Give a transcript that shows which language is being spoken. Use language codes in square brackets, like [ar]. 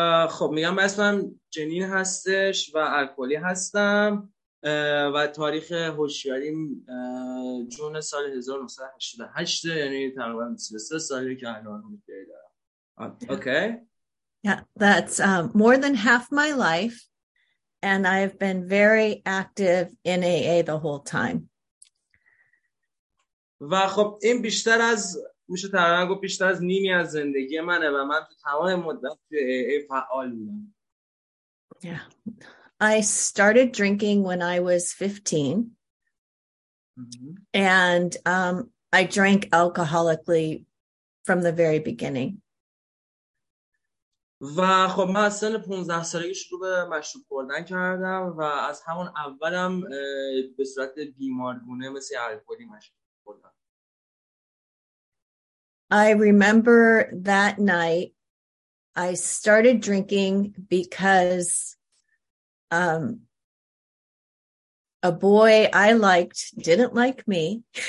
[fa] خب میگم اسمم جنین هستش و الکلی هستم و تاریخ هوشیاریم جون سال 1988، یعنی تقریبا 33 سالی که الان هوشیاری دارم. اوکی. [en] Yeah, that's more than half my life, and I've been very active in AA the whole time. [fa] و خب این بیشتر از میشه تقریبا گفت بیشتر از نیمی از زندگی منه و من تو تمام مدت تو AA فعال بودم. [en] Yeah. I started drinking when I was 15. And I drank alcoholically from the very beginning. [fa] و خب من از سن 15 سالگی شروع به مشروب خوردن کردم و از همون اولم به صورت بیمارگونه مثل الکلی مشروب خوردم. [en] I remember that night I started drinking because a boy I liked didn't like me.